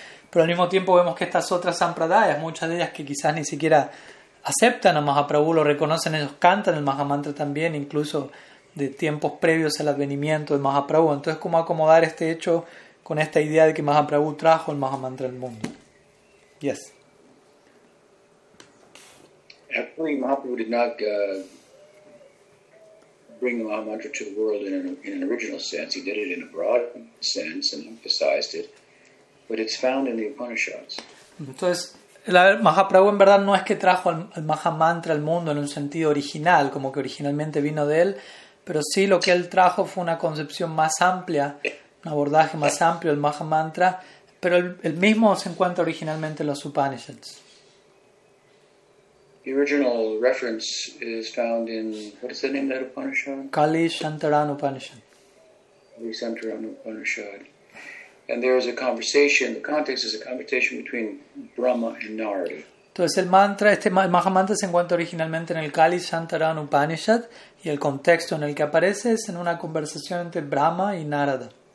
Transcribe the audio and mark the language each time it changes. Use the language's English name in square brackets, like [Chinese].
[Spanish] Pero al mismo tiempo vemos que estas otras Sampradayas, muchas de ellas que quizás ni siquiera aceptan a Mahaprabhu, lo reconocen, ellos cantan el Mahamantra también, incluso de tiempos previos al advenimiento de Mahaprabhu. Entonces, ¿cómo acomodar este hecho con esta idea de que Mahaprabhu trajo el Mahamantra al mundo? [English] Yes. Actually, Mahaprabhu did not bring the Mahamantra to the world in an original sense. He did it in a broad sense and emphasized it. But it's found in the Upanishads. [Spanish] Entonces, Mahaprabhu en verdad no es que trajo el Maha Mantra al mundo en un sentido original, como que originalmente vino de él, pero sí lo que él trajo fue una concepción más amplia, un abordaje más amplio del Maha Mantra, pero el mismo se encuentra originalmente en los Upanishads. [English] The original reference is found in, what is the name of that Upanishad? Kali Shantaran Upanishad. Kali Shantaran Upanishad. And there is a conversation, the context is a conversation between Brahma and Narada. [Spanish] Entonces el mantra, este Maha Mantra se encuentra originalmente en el Kali Shantaran Upanishad y el contexto en el que aparece es en una conversación entre Brahma y Narada.